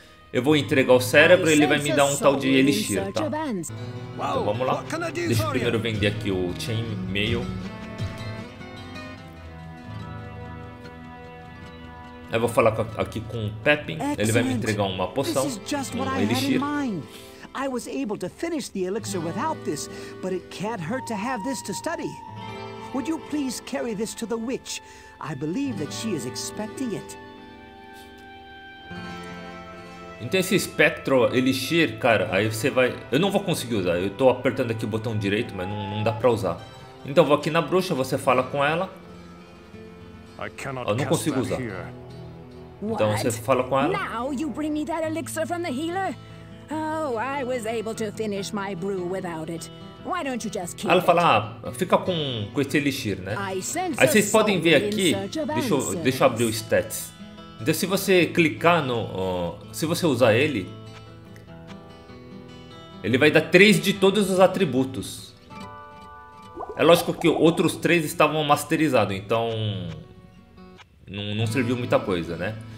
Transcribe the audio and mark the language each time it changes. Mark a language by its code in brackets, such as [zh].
[pt] Eu vou entregar o cérebro e ele vai me dar um tal de elixir, tá? Então vamos lá. Deixa eu primeiro vender aqui o chainmail. Eu vou falar aqui com o Pepin, ele vai me entregar uma poção, um elixir. [en] I was able to finish the elixir without this, but it can't hurt to have this to study. Would you please carry this to the witch? I believe that she is expecting it. [pt] Então esse espectro elixir, cara, aí você vai, eu não vou conseguir usar. Eu tô apertando aqui o botão direito, mas não dá para usar. Então eu vou aqui na bruxa, você fala com ela. Eu não consigo usar. Então você fala com ela. [en] Now you bring me that elixir from the healer? Oh, I was able to finish my brew without it. Why don't you just keep [pt] ela fala, ah, fica com esse elixir, né? Aí vocês podem ver aqui, deixa eu abrir o stats. Então se você clicar no... se você usar ele, ele vai dar 3 de todos os atributos. É lógico que outros 3 estavam masterizados, então... Não serviu muita coisa, né?